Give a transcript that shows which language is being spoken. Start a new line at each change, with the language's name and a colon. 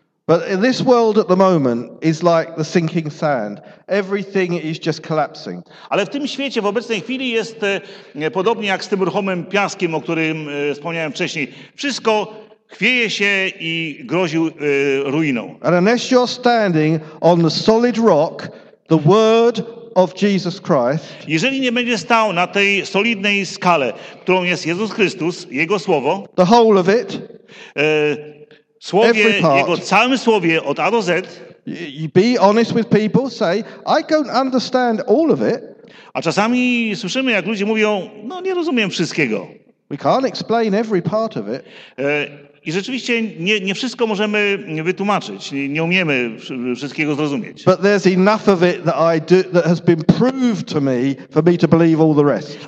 English: But this world at the moment is like the sinking sand. Everything is just collapsing.
Polish: Ale w tym świecie w obecnej chwili jest podobnie jak z tym ruchomym piaskiem, o którym wspomniałem wcześniej. Wszystko chwieje się i grozi ruiną.
English: And unless you're standing on the solid rock, the word of Jesus Christ,
Polish: jeżeli nie będziesz stał na tej solidnej skale, którą jest Jezus Chrystus, Jego Słowo,
English: the whole of it,
Polish: słowie,
English: every part,
Polish: Jego całym Słowie od A do Z,
English: you be honest with people, say, I don't understand all of it.
Polish: A czasami słyszymy, jak ludzie mówią, no nie rozumiem wszystkiego.
English: We can't explain every part of it.
Polish: I rzeczywiście nie wszystko możemy wytłumaczyć, nie umiemy wszystkiego zrozumieć.
English: But there's enough of it that I do that has been proved to me for me to believe all the rest.